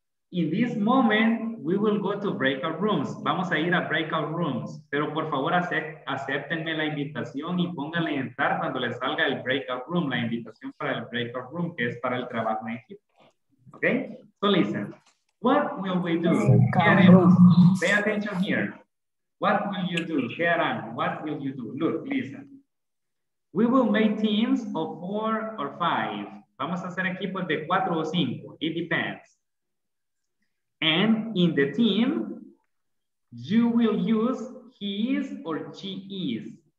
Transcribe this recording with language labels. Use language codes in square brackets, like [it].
[en] In this moment, we will go to breakout rooms. [es] Vamos a ir a breakout rooms. Pero por favor, acéptenme la invitación y pónganle entrar cuando les salga el breakout room, la invitación para el breakout room, que es para el trabajo en equipo. [en] Ok? So listen. What will we do? Pay attention here. What will you do? [es] ¿Qué harán? [en] What will you do? Look, listen. We will make teams of four or five. [es] Vamos a hacer equipos de cuatro o cinco. [en] It depends. And in the team, you will use he is or she is.